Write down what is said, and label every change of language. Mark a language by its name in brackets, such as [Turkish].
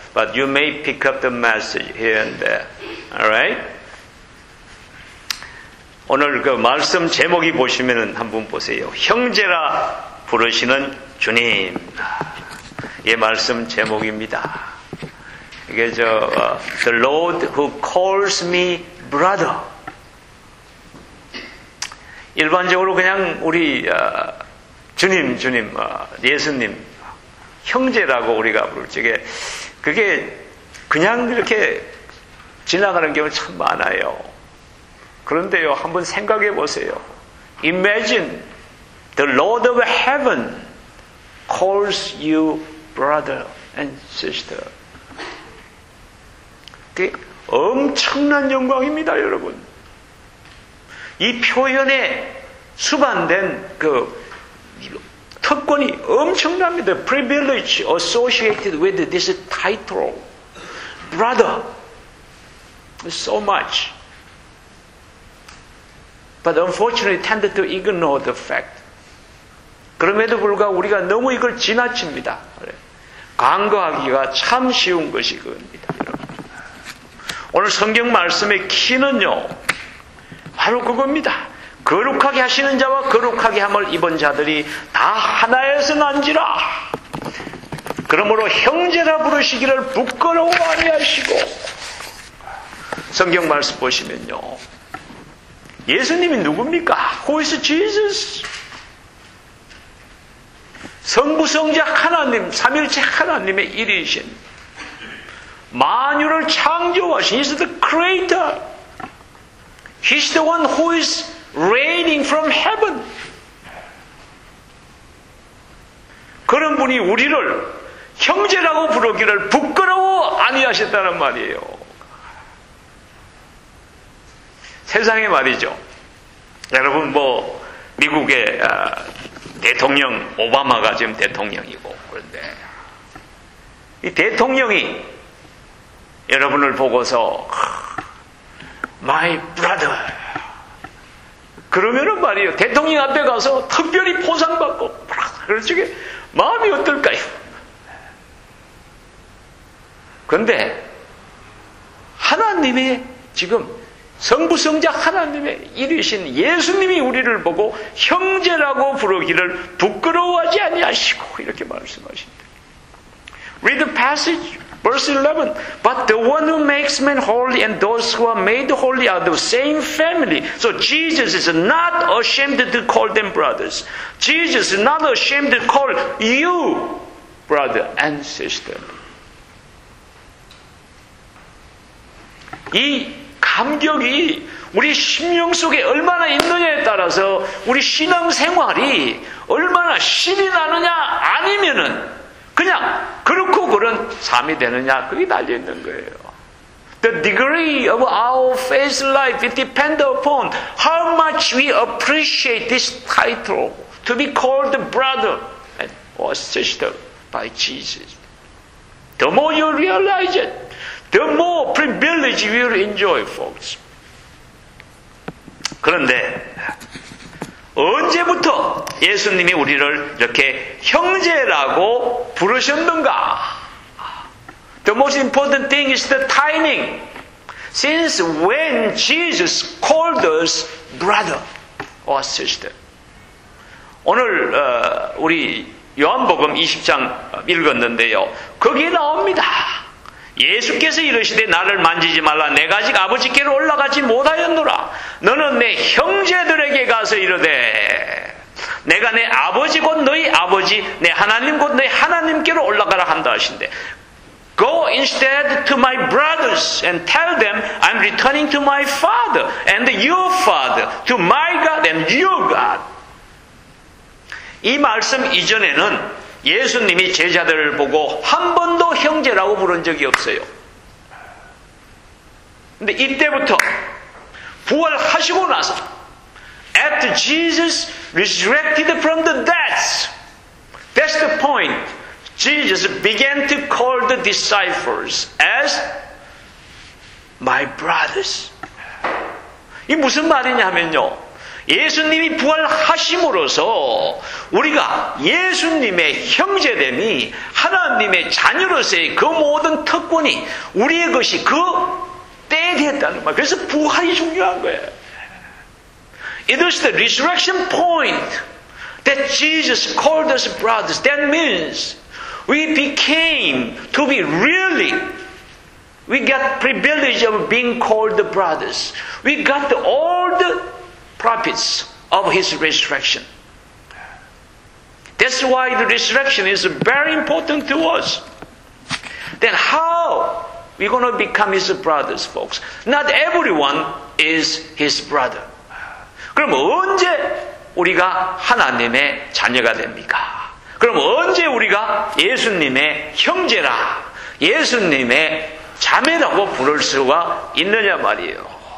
[English] But you may pick up the message here and there. Alright? [Korean] 오늘 그 말씀 제목이 보시면 한번 보세요. 형제라 부르시는 주님. 예, 말씀 제목입니다. 이게 저, [English] The Lord who calls me brother. [Korean] 일반적으로 그냥 우리 주님, 예수님, 형제라고 우리가 부를 적에 그게 그냥 이렇게 지나가는 경우 참 많아요. 그런데요, 한번 생각해 보세요. [English] Imagine the Lord of Heaven calls you brother and sister. [Korean] 그게 엄청난 영광입니다, 여러분. 이 표현에 수반된 그 특권이 엄청납니다. [English] Privilege associated with this title, brother, so much. But unfortunately, tended to ignore the fact. [Korean] 그럼에도 불구하고 우리가 너무 이걸 지나칩니다. 간과하기가 참 쉬운 것이 그겁니다. 오늘 성경 말씀의 키는요, 바로 그겁니다. 거룩하게 하시는 자와 거룩하게 함을 입은 자들이 다 하나에서 난지라. 그러므로 형제라 부르시기를 부끄러워 아니하시고. 성경 말씀 보시면요, 예수님이 누굽니까? [English] Who is Jesus? [Korean] 성부 성자 하나님, 삼일체 하나님의 일이신 만유를 창조하신, [English] He is the creator. He is the one who is reigning from heaven. [Korean] 그런 분이 우리를 형제라고 부르기를 부끄러워 아니하셨다는 말이에요. 세상에 말이죠. 여러분 뭐 미국의 대통령 오바마가 지금 대통령이고, 그런데 이 대통령이 여러분을 보고서 [English] My brother, [Korean] 그러면은 말이에요, 대통령 앞에 가서 특별히 포상받고 그럴 적에 마음이 어떨까요? 그런데 하나님의 지금 성부 성자 하나님의 일이신 예수님이 우리를 보고 형제라고 부르기를 부끄러워하지 아니하시고 이렇게 말씀하신다. [English] Read the passage, verse 11. But the one who makes men holy and those who are made holy are the same family. So Jesus is not ashamed to call them brothers. Jesus is not ashamed to call you brother and sister. [Korean] 이 감격이 우리 심령 속에 얼마나 있느냐에 따라서 우리 신앙생활이 얼마나 신이 나느냐 아니면은 그냥 그렇고 그런 삶이 되느냐, 그게 달려있는 거예요. [English] The degree of our faith life depends upon how much we appreciate this title to be called brother or sister by Jesus. The more you realize it, the more privilege you will enjoy, folks. [Korean] 그런데 언제부터 예수님이 우리를 이렇게 형제라고 부르셨는가? [English] The most important thing is the timing. Since when Jesus called us brother or sister? [Korean] 오늘 우리 요한복음 20장 읽었는데요. 거기에 나옵니다. 예수께서 이르시되 나를 만지지 말라. 내가 아직 아버지께로 올라가지 못하였노라. 너는 내 형제들에게 가서 이르되 내가 내 아버지 곧 너희 아버지 내 하나님 곧 너희 하나님께로 올라가라 한다 하신대. [English] Go instead to my brothers and tell them I'm returning to my father and your father, to my God and your God. [Korean] 이 말씀 이전에는 예수님이 제자들을 보고 한 번도 형제라고 부른 적이 없어요. 근데 이때부터 부활하시고 나서 [English] After Jesus resurrected from the dead, that's the point. Jesus began to call the disciples as my brothers. [Korean] 이 무슨 말이냐면요. 예수님이 부활하심으로서 우리가 예수님의 형제됨이 하나님의 자녀로서의 그 모든 특권이 우리의 것이 그 때에 되었다는 말. 그래서 부활이 중요한 거예요. [English] It is the resurrection point that Jesus called us brothers. That means we became to be really we got privilege of being called the brothers. We got all the prophets of his resurrection. That's why the resurrection is very important to us. Then how we're going to become his brothers, folks? Not everyone is his brother. [Korean] 그럼 언제 우리가 하나님의 자녀가 됩니까? 그럼 언제 우리가 예수님의 형제라, 예수님의 자매라고 부를 수가 있느냐 말이에요.